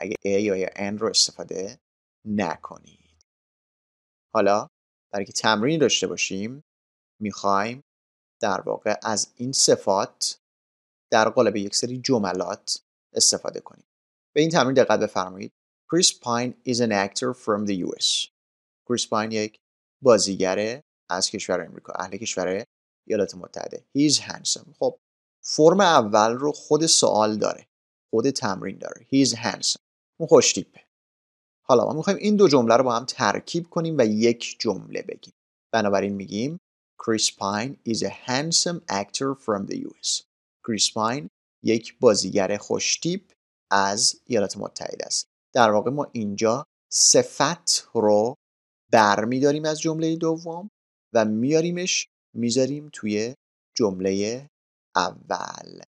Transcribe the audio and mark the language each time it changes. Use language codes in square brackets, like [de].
[fa] اگه A یا N رو استفاده نکنید. حالا برای که تمرین داشته باشیم، میخوایم در واقع از این صفات در قالب یک سری جملات استفاده کنیم. به این تمرین دقت بفرمایید. [en] Chris Pine is an actor from the US. [fa] Chris Pine یک بازیگر از کشور آمریکا، اهل کشور ایالات متحده. [en] He is handsome. [fa] خب فرم اول رو خود سوال داره، خود تمرین داره. [en] He is handsome. [fa] اون خوش تیپه. حالا ما میخواییم این دو جمله رو با هم ترکیب کنیم و یک جمله بگیم. بنابراین میگیم [en] Chris Pine is a handsome actor from the US. [fa] Chris Pine یک بازیگر خوشتیپ از ایالات متحده است. در واقع ما اینجا صفت رو برمیداریم از جمله دوم و میاریمش، میذاریم توی جمله اول.